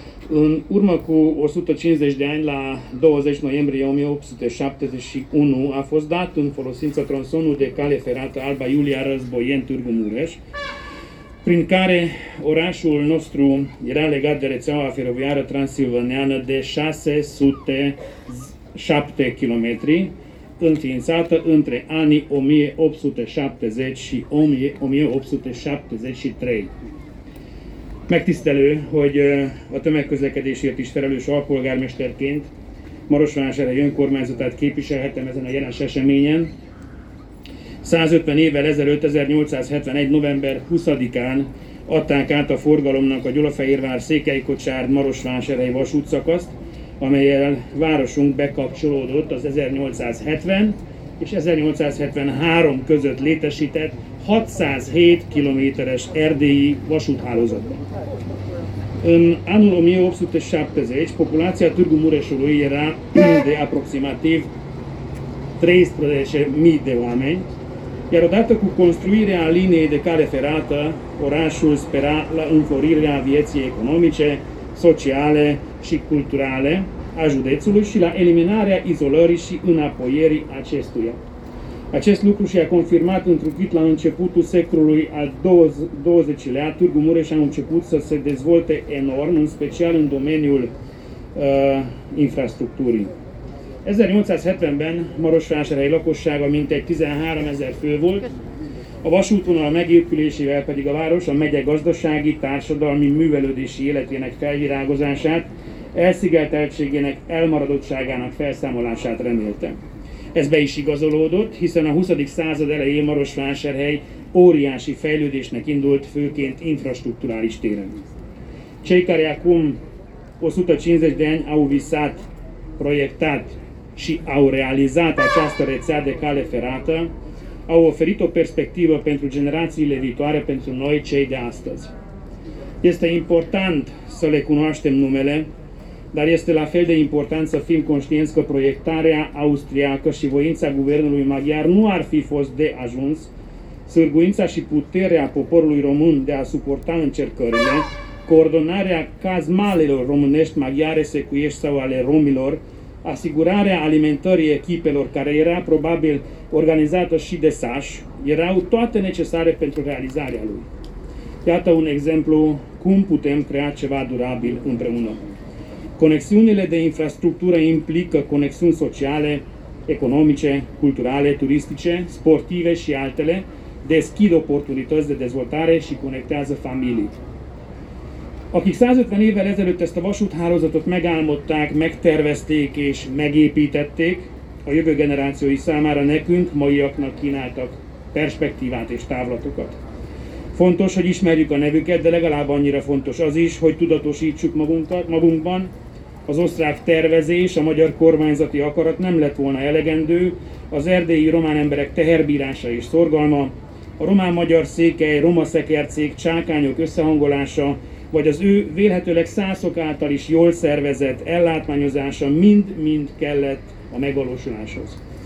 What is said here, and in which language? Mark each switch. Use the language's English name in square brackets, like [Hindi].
[Romanian] În urmă cu 150 de ani, la 20 noiembrie 1871, a fost dat în folosință tronsonul de cale ferată Alba Iulia Războien Târgu Mureș, prin care orașul nostru era legat de rețeaua feroviară transilvaneană de 607 km, înființată între anii 1870 și 1873. [Hungarian] Megtisztelő, hogy a tömegközlekedésért is felelős alpolgármesterként Marosvásárhely önkormányzatát képviselhetem ezen a jelen eseményen. 150 évvel ezelőtt, 1871. november 20-án adták át a forgalomnak a Gyulafehérvár-Székelykocsár-Marosvásárhely vasútszakaszt, amelyel városunk bekapcsolódott az 1870 és 1873 között létesített 607 kilométeres erdélyi vasúthálózatban. [Romanian] În anul 1870, populația Târgu Mureșului era de aproximativ 13.000 de oameni, iar odată cu construirea liniei de cale ferată, orașul spera la înflorirea vieții economice, sociale și culturale a județului și la eliminarea izolării și înapoierii acestuia. Acest lucru și-a confirmat întrucât la începutul secolului al XX-lea, Târgu Mureș a început să se dezvolte enorm, în special în domeniul infrastructurii. [Hungarian] 1870-ben Marosvásárhely lakossága mintegy 13.000 fő volt, a vasútvonal megépülésével pedig a város a megye gazdasági, társadalmi, művelődési életének felvirágozását, elszigeteltségének, elmaradottságának felszámolását remélte. Ez be is igazolódott, hiszen a 20. század elején Marosvásárhely óriási fejlődésnek indult, főként infrastrukturális téren. [Romanian] Cseikarea cum 150 de ani au visat, proiectat și au realizat această rețea de cale ferată, au oferit o perspectivă pentru generațiile viitoare, pentru noi cei de astăzi. Este important să le cunoaștem numele, dar este la fel de important să fim conștienți că proiectarea austriacă și voința guvernului maghiar nu ar fi fost de ajuns, sârguința și puterea poporului român de a suporta încercările, coordonarea cazmalelor românești, maghiare, secuiești sau ale romilor, asigurarea alimentării echipelor, care era probabil organizată și de SAS, erau toate necesare pentru realizarea lui. Iată un exemplu cum putem crea ceva durabil împreună. Conexiunile de infrastructură implică conexiuni sociale, economice, culturale, turistice, sportive și altele, deschid oportunități de dezvoltare și conectează familii. [Hungarian] Akik 150 évvel ezelőtt ezt a vasúthálózatot megálmodták, megtervezték és megépítették, a jövő generációi számára nekünk, maiaknak kínáltak perspektívát és távlatokat. Fontos, hogy ismerjük a nevüket, de legalább annyira fontos az is, hogy tudatosítsuk magunkban, az osztrák tervezés, a magyar kormányzati akarat nem lett volna elegendő, az erdélyi román emberek teherbírása és szorgalma, a román-magyar székely, roma-szekercég, csákányok összehangolása, vagy az ő vélhetőleg szászok által is jól szervezett ellátmányozása mind-mind kellett a megvalósuláshoz.